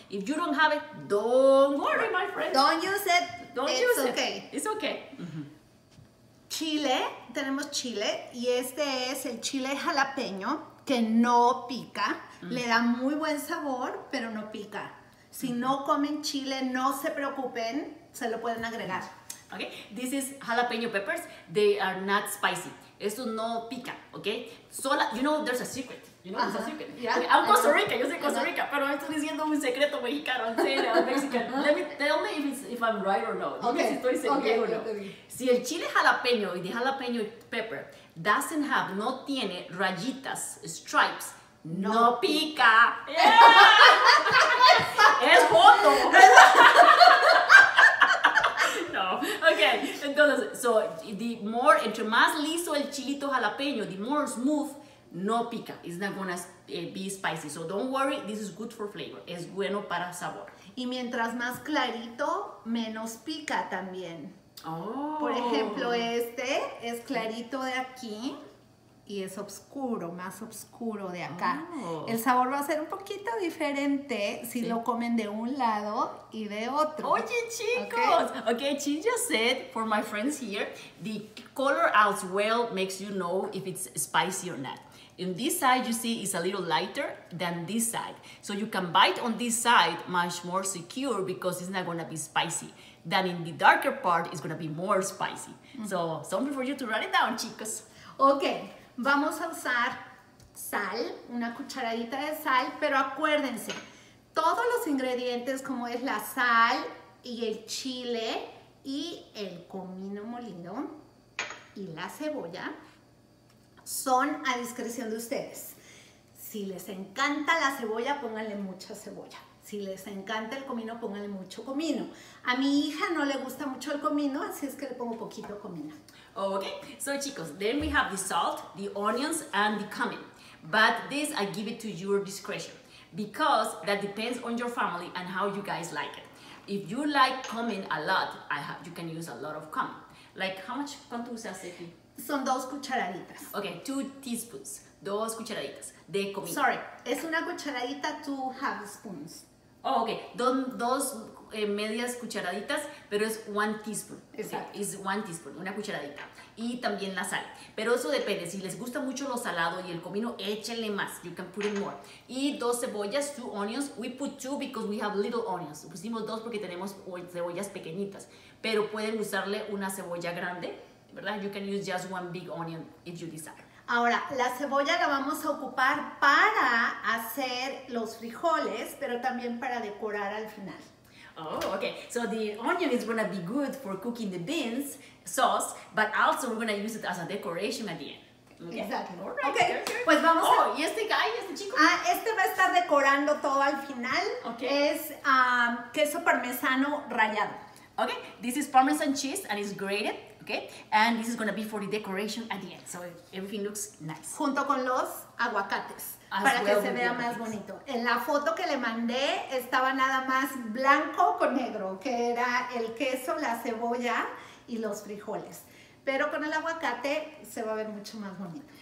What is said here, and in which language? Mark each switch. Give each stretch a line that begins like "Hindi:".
English: If you don't have it, don't worry, my friend. Don't use it, don't it's use okay. It. It's okay. Mm-hmm.
Spanish: Chile, tenemos chile y este es el chile jalapeño que no pica, le da muy buen sabor, pero no pica. Si no comen chile, no se preocupen, se lo pueden agregar.
English: Okay, this is jalapeño peppers, they are not spicy.
Spanish: Esto no pica, okay? Sola, you know there's a secret.
English: Yeah.
Spanish: Okay, I'm Costa Rica, yo soy Costa Rica, pero estoy diciendo un secreto mexicano, Mexican.
English: Let me tell me if I'm right or not. Okay.
Spanish: Si estoy seguro
English: okay.
Spanish: o no. Si el chile jalapeño y de jalapeño pepper doesn't have, no tiene rayitas, stripes, no pica.
English: Yeah.
Spanish: Es foto. Okay, entonces, so the more, entre más liso el chilito jalapeño, the more smooth, no pica.
English: It's not gonna be spicy. So don't worry, this is good for flavor.
Spanish: Es bueno para sabor. Y mientras más clarito, menos pica también. Oh. Por ejemplo, este es clarito de aquí y es oscuro, más oscuro de acá. Oh. El sabor va a ser un poquito diferente si sí. lo comen de un lado y de otro. Oye, chicos.
English: Okay, she just said, for my friends here, the color as well makes you know if it's spicy or not. In this side, you see, it's a little lighter than this side. So you can bite on this side much more secure because it's not gonna be spicy. Than in the darker part, it's gonna be more spicy. Mm-hmm. So something for you to write it down, chicos. Okay.
Spanish: Vamos a usar sal, una cucharadita de sal, pero acuérdense, todos los ingredientes como es la sal y el chile y el comino molido y la cebolla son a discreción de ustedes. Si les encanta la cebolla, pónganle mucha cebolla. Si les encanta el comino, pónganle mucho comino. A mi hija no le gusta mucho el comino, así es que le pongo poquito comino.
English: Okay, so chicos, then we have the salt, the onions, and the cumin. But this, I give it to your discretion, because that depends on your family and how you guys like it. If you like cumin a lot, you can use a lot of cumin.
Spanish: Like, how much, ¿cuánto usaste aquí? Son dos cucharaditas. Okay, 2 teaspoons. Dos cucharaditas de comida.
English: Sorry, es una cucharadita, 2 half spoons.
Spanish: Oh, okay. Dos medias cucharaditas, pero es 1 teaspoon. Exacto. Okay. Is 1 teaspoon, una cucharadita. Y también la sal. Pero eso depende. Si les gusta mucho lo salado y el comino, échenle más.
English: You can put it more. Y 2 cebollas, 2 onions. We put 2 because we have little onions.
Spanish: Pusimos 2 porque tenemos cebollas pequeñitas. Pero pueden usarle una cebolla grande, ¿verdad?
English: You can use just 1 big onion if you desire.
Spanish: Ahora, la cebolla la vamos a ocupar para hacer los frijoles, pero también para decorar al final.
English: Oh, okay. So the onion is going to be good for cooking the beans sauce, but also we're going to use it as a decoration at the end.
Spanish: Okay. Exacto.
English: Right, okay. Good.
Spanish: Pues vamos. Oh, y este guy, este chico. Ah, este va a estar decorando todo al final.
English: Okay.
Spanish: Es queso parmesano rallado.
English: Okay. This is parmesan cheese and it's grated. Okay. And this is going to be for the decoration at the end. So everything looks nice.
Spanish: Junto con los aguacates. As para well que se vea más things. Bonito. En la foto que le mandé estaba nada más blanco con negro, que era el queso, la cebolla y los frijoles. Pero con el aguacate se va a ver mucho más bonito.